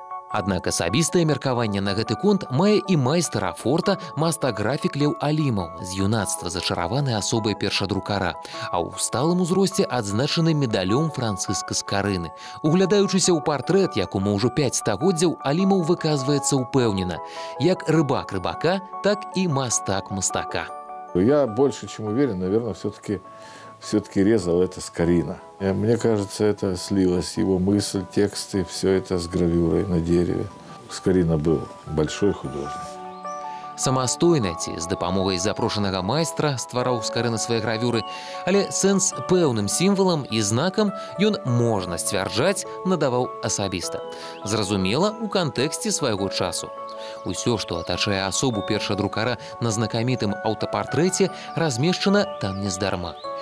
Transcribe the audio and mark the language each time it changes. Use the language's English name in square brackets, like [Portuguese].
[Belarusian] Аднак асабістае меркаванне на гэты конт мае і майстар афорта, мастаграфік Леў Алімаў, з юнацтва зачараваны асобай першадрукара, а ў сталым узросце адзначаны медалём Францыска Скарыны. Углядаючыся ў партрэт, якому ўжо 5 стагоддзяў, Алімаў выказваецца ўпэўнена. Як рыбак рыбака, так і мастак мастака. [Russian] Я больше, чым уверен, наверное, все-таки резал это Скарына. Мне кажется, это слилось его мысль, тексты, все это с гравюрой на дереве. Скарына был большой художник. [Belarusian] Самастойна ці з дапамогай запрошанага майстра ствараў Скарына свае гравюры, але сэнс пэўным сімвалам і знакам ён, можна сцвярджаць, надаваў асабіста. Зразумела, у кантэксце свайго часу. Усё, што атачае асобу першадрукара на знакамітым аўтапартрэце, размешчана там нездарма.